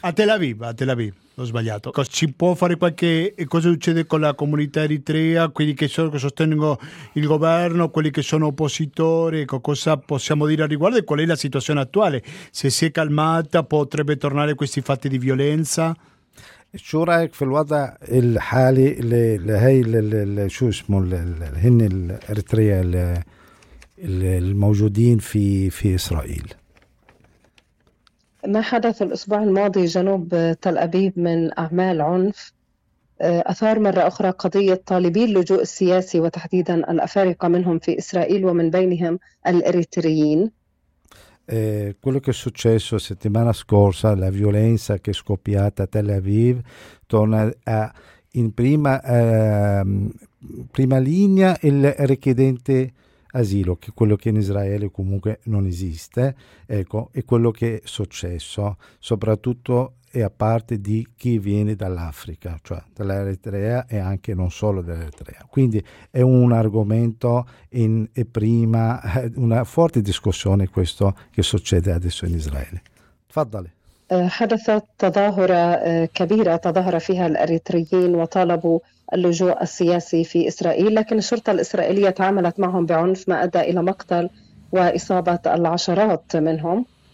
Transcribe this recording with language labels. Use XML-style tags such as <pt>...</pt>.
<it>A Tel Aviv, ho sbagliato. Ci può fare qualche... cosa succede con la comunità eritrea, quelli che sono, che sostengono il governo, quelli che sono oppositori, cosa possiamo dire al riguardo e qual è la situazione attuale? Se si è calmata, potrebbe tornare questi fatti di violenza?</it> <ar>شو رأيك في الوضع الحالي لهي شو اسمه هن الإريتريا الموجودين في إسرائيل؟ ما حدث الأسبوع الماضي جنوب تل أبيب من أعمال عنف أثار مرة أخرى قضية طالبي اللجوء السياسي وتحديدا الأفارقة منهم في إسرائيل ومن بينهم الإريتريين.</ar> <it>Quello che è successo settimana scorsa, la violenza che è scoppiata a Tel Aviv, torna in prima linea il richiedente asilo, che è quello che in Israele comunque non esiste, ecco, è quello che è successo, soprattutto e a parte di chi viene dall'Africa, cioè dall'Eritrea e anche non solo dall'Eritrea. Quindi è un argomento una forte discussione questo che succede adesso in Israele.</it> <ar>Tfaddale. حدثت تظاهرة كبيرة تظاهر فيها الأريتريين وطالبوا اللجوء السياسي في إسرائيل، لكن الشرطة الإسرائيلية تعاملت معهم بعنف ما أدى إلى مقتل وإصابة العشرات منهم.</ar>